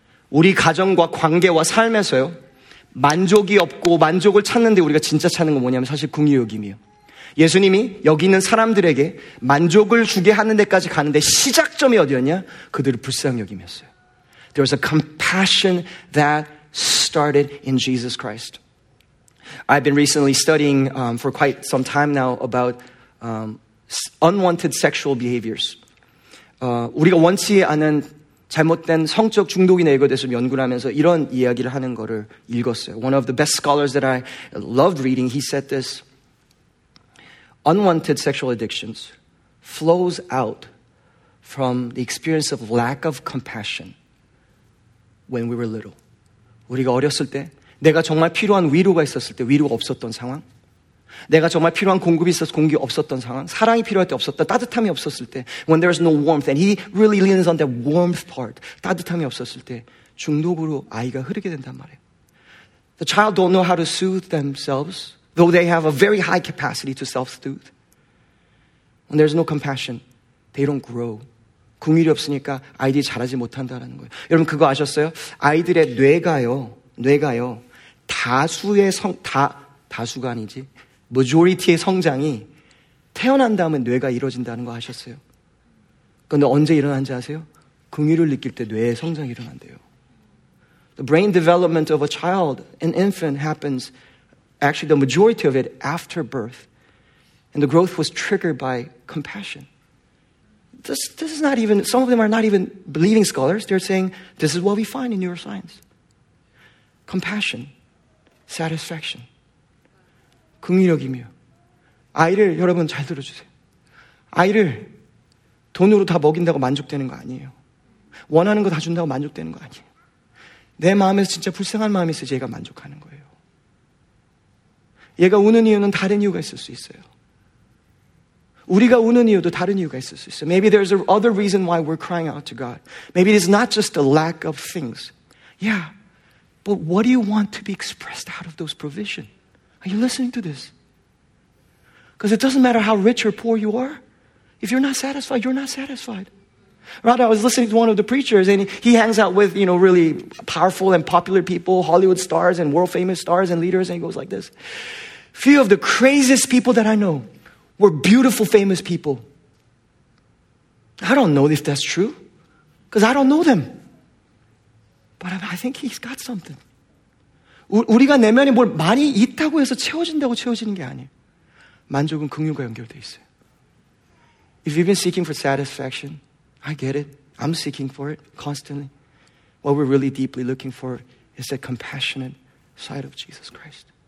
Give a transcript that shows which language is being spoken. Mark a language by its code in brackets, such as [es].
[ko] 우리 가정과 관계와 삶에서요, 만족이 없고 만족을 찾는데 우리가 진짜 찾는 건 뭐냐면 사실 궁유욕임이에요. 예수님이 여기 있는 사람들에게 만족을 주게 하는 데까지 가는데 시작점이 어디였냐? 그들을 불쌍히 여김이었어요. [en] There was a compassion that started in Jesus Christ. I've been recently studying for quite some time now about unwanted sexual behaviors. [ko] 우리가 원치 않은 잘못된 성적 중독이나 이거에 대해서 연구를 하면서 이런 이야기를 하는 거를 읽었어요. [en] One of the best scholars that I loved reading, he said this. Unwanted sexual addictions flows out from the experience of lack of compassion when we were little. [ko] 우리가 어렸을 때 내가 정말 필요한 위로가 있었을 때 위로가 없었던 상황, 내가 정말 필요한 공급이 있어서 공급이 없었던 상황, 사랑이 필요할 때 없었다, 따뜻함이 없었을 때, [en] when there is no warmth, and he really leans on that warmth part, [ko] 따뜻함이 없었을 때 중독으로 아이가 흐르게 된단 말이에요. [en] The child don't know how to soothe themselves, though they have a very high capacity to self-soothe. When there's no compassion, they don't grow. [ko] 궁휼이 없으니까 아이들이 자라지 못한다라는 거예요. 여러분 그거 아셨어요? 아이들의 뇌가요, 다수의 성, 다, 다수가 아니지, majority의 성장이 태어난 다음에 뇌가 이루어진다는 거 아셨어요? 근데 언제 일어난지 아세요? 긍휼을 느낄 때 뇌의 성장이 일어난대요. [en] The brain development of a child, an infant happens, actually the majority of it after birth. And the growth was triggered by compassion. This is not even, some of them are not even believing scholars. They're saying, this is what we find in neuroscience. [ko] Compassion, satisfaction, 긍휼이며 아이를 여러분 잘 들어주세요. 아이를 돈으로 다 먹인다고 만족되는 거 아니에요. 원하는 거 다 준다고 만족되는 거 아니에요. 내 마음에서 진짜 불쌍한 마음이 있어야 얘가 만족하는 거예요. 얘가 우는 이유는 다른 이유가 있을 수 있어요. 우리가 우는 이유도 다른 이유가 있을 수 있어요. [en] Maybe there's another reason why we're crying out to God. Maybe it is not just the lack of things. Yeah. But what do you want to be expressed out of those provision? Are you listening to this? Because it doesn't matter how rich or poor you are. If you're not satisfied, you're not satisfied. Right, I was listening to one of the preachers, and he hangs out with, you know, really powerful and popular people, Hollywood stars and world famous stars and leaders, and he goes like this. Few of the craziest people that I know were beautiful, famous people. I don't know if that's true, because I don't know them. But I think he's got something. [ko] 우리가 내면에 뭘 많이 있다고 해서 채워진다고 채워지는 게 아니에요. 만족은 긍휼과 연결되어 있어요. [en] If you've been seeking for satisfaction, I get it. I'm seeking for it constantly. What we're really deeply looking for is the compassionate side of Jesus Christ.